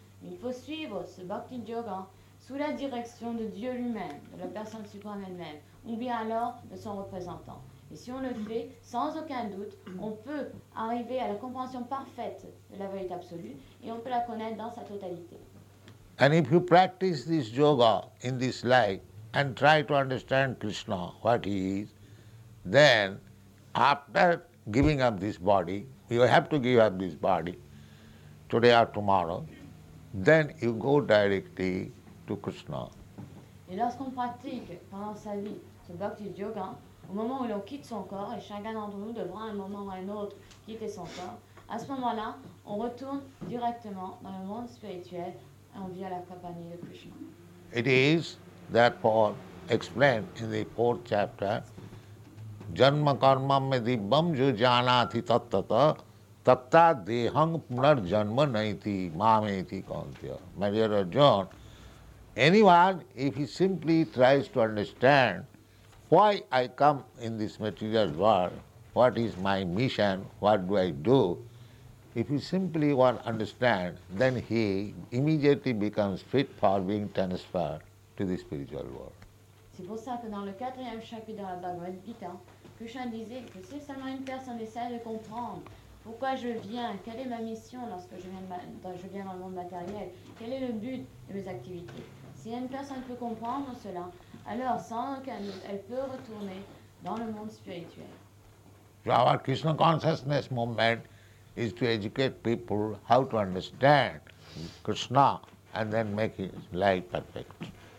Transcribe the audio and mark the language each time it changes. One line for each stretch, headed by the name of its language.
French: Il faut suivre ce Bhakti Yoga sous la direction de Dieu lui-même, de la personne suprême elle-même, ou bien alors de son représentant. Et si on le fait, sans aucun doute, on peut arriver à la compréhension parfaite de la vérité absolue et on peut la connaître dans sa totalité.
English: And if you practice this yoga in this life and try to understand Krishna, what he is, then after giving up this body, you have to give up this body today or tomorrow, then you go directly to Krishna.
French: Et lorsqu'on pratique pendant sa vie ce bhakti yoga, au moment où l'on quitte son corps, et chacun d'entre nous devra à un moment ou à un autre quitter son corps, à ce moment-là, on retourne directement dans le monde spirituel et on vit à la compagnie de Krishna.
English: It is that Paul explained in the fourth chapter,
Sanskrit: janma karma medibham jo janati tattata tatta dehang punar janma naiti mameti kantya.
English: My dear Arjuna, anyone, if he simply tries to understand why I come in this material world, what is my mission, what do I do? If he simply one understand, then he immediately becomes fit for being transferred to the spiritual world.
French: C'est pour ça que dans le quatrième chapitre de la Bhagavad Gita, Krishna disait que si seulement une personne essaie de comprendre pourquoi je viens, quelle est ma mission lorsque je viens dans le monde matériel, quel est le but de mes activités. Si une personne peut comprendre cela, alors, sans aucun doute, elle peut retourner dans le monde spirituel.
English: So our Krishna consciousness movement is to educate people how to understand Krishna and then make his life perfect.